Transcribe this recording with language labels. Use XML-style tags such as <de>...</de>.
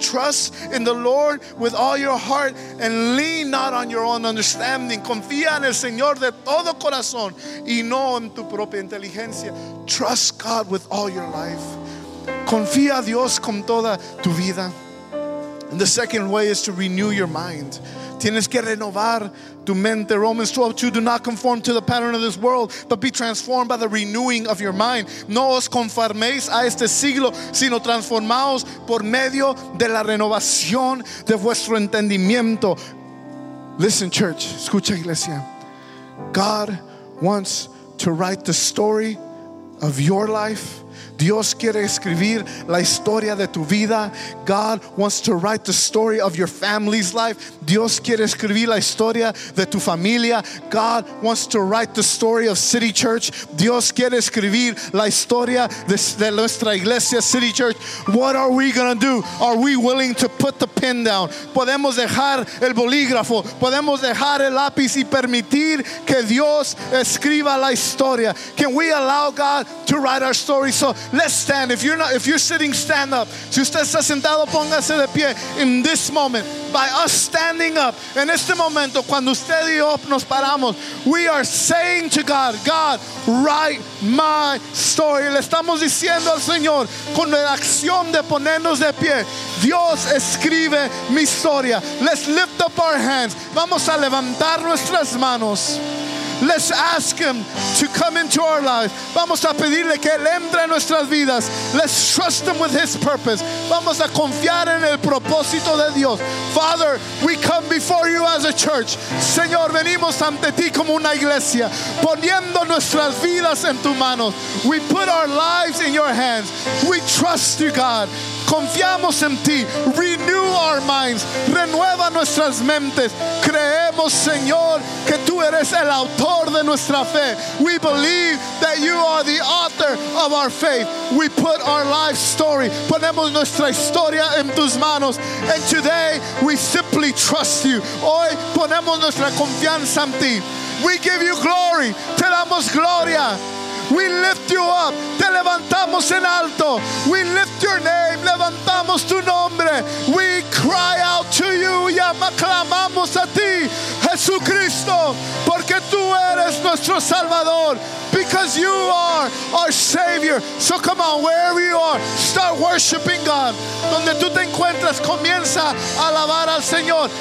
<en>Trust in the Lord with all your heart and lean not on your own understanding.</en> <es>Confía en el Señor de todo corazón y no en tu propia inteligencia.</es> <en>Trust God with all your life.</en> <es>Confía a Dios con toda tu vida.</es> <en>And the second way is to renew your mind.</en> <es>Tienes que renovar tu mente.</es> <en>Romans 12:2, do not conform to the pattern of this world, but be transformed by the renewing of your mind.</en> <es>No os conforméis a este siglo, sino transformaos por medio de la renovación de vuestro entendimiento.</es> <en>Listen, church.</en> <es>Escucha, iglesia.</es> <en>God wants to write the story of your life.</en> <es>Dios quiere escribir la historia de tu vida.</es> <en>God wants to write the story of your family's life.</en> <es>Dios quiere escribir la historia de tu familia.</es> <en>God wants to write the story of City Church.</en> <es>Dios quiere escribir la historia de nuestra iglesia, City Church.</es> <en>What are we going to do? Are we willing to put the pen down?</en> <es>Podemos dejar el bolígrafo. Podemos dejar el lápiz y permitir que Dios escriba la historia.</es> <en>Can we allow God to write our story? So let's stand. If you're sitting, stand up.</en> <es>Si usted está sentado, póngase de pie.</es> <en>In this moment, by us standing up,</en> <es>en este momento, cuando usted y yo nos paramos,</es> <en>we are saying to God, God, write my story.</en> <es>Le estamos diciendo al Señor, con la acción de ponernos de pie, Dios escribe mi historia.</es> <en>Let's lift up our hands.</en> <es>Vamos a levantar nuestras manos.</es> <en>Let's ask Him to come into our lives.</en> <es>Vamos a pedirle que Él entre en nuestras vidas.</es> <en>Let's trust Him with His purpose.</en> <es>Vamos a confiar en el propósito de Dios.</es> <en>Father, we come before You as a church.</en> <es>Señor, venimos ante Ti como una iglesia, poniendo nuestras vidas en Tu manos.</es> <en>We put our lives in Your hands. We trust You, God.</en> <es>Confiamos en Ti.</es> <en>Renew our minds.</en> <es>Renueva nuestras mentes. Creemos, Señor, que Tú eres el autor de nuestra fe.</es> <en>We believe that You are the author of our faith. We put our life story.</en> <es>Ponemos nuestra historia en Tus manos.</es> <en>And today, we simply trust You.</en> <es>Hoy, ponemos nuestra confianza en Ti.</es> <en>We give You glory.</en> <es>Te damos gloria.</es> <en>We lift you up.</en> <es>Te levantamos en alto.</es> <en>We lift your name.</en> <es>Levantamos tu nombre.</es> <en>We cry out to you.</en> <es>Llama, clamamos a ti, Jesucristo, porque tú eres nuestro Salvador.</es> <en>Because you are our Savior. So come on, wherever you are, start worshiping God.</en> <es>Donde tú te encuentras, comienza a alabar al Señor.</es>